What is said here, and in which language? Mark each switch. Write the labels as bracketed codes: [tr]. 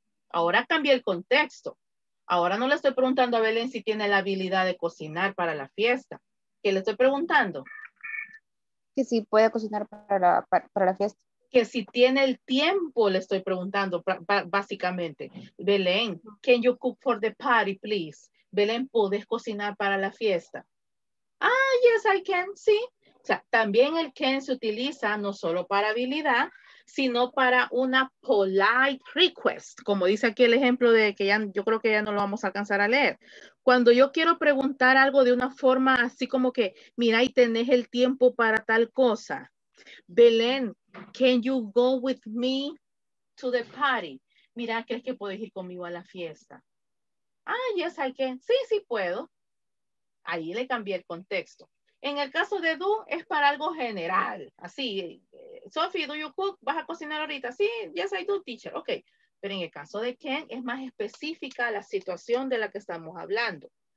[es] Ahora cambia el contexto. Ahora no le estoy preguntando a Belén si tiene la habilidad de cocinar para la fiesta. ¿Qué le estoy preguntando? Que si puede cocinar para la fiesta. Que si tiene el tiempo, le estoy preguntando, básicamente. [en] Belén, can you cook for the party, please? [es] Belén, ¿puedes cocinar para la fiesta? Ah, [en] yes, I can, [es] sí. O sea, también el can se utiliza no solo para habilidad, sino para una [en] polite request. [es] Como dice aquí el ejemplo de que ya, yo creo que ya no lo vamos a alcanzar a leer. Cuando yo quiero preguntar algo de una forma así como que, mira, y tenés el tiempo para tal cosa. [en] Belén, can you go with me to the party? [es] Mira, ¿crees que puedes ir conmigo a la fiesta? [en] Ah, yes, I can. [es] Sí, sí puedo. Ahí le cambié el contexto. En el caso de do, es para algo general. [en] Así, Sophie, do you cook? [es] ¿Vas a cocinar ahorita? Sí, [en] yes, I do, teacher. Ok. [es] Pero en el caso de can, es más específica la situación de la que estamos hablando.